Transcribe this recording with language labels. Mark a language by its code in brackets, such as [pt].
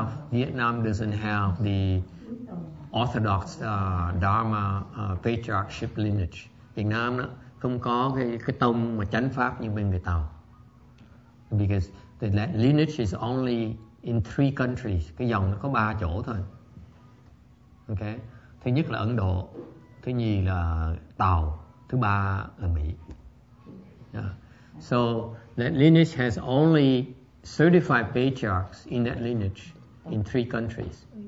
[en] Vietnam doesn't have the Orthodox Dharma patriarchship lineage. [vi] Việt Nam không có cái tông mà chánh pháp như bên người Tàu. [en] Because that lineage is only in three countries. [vi] Cái dòng nó có ba chỗ thôi. Okay. Thứ nhất là Ấn Độ, thứ nhì là Tàu, thứ ba là Mỹ. Yeah. [en] So that lineage has only certified patriarchs in that lineage in three countries.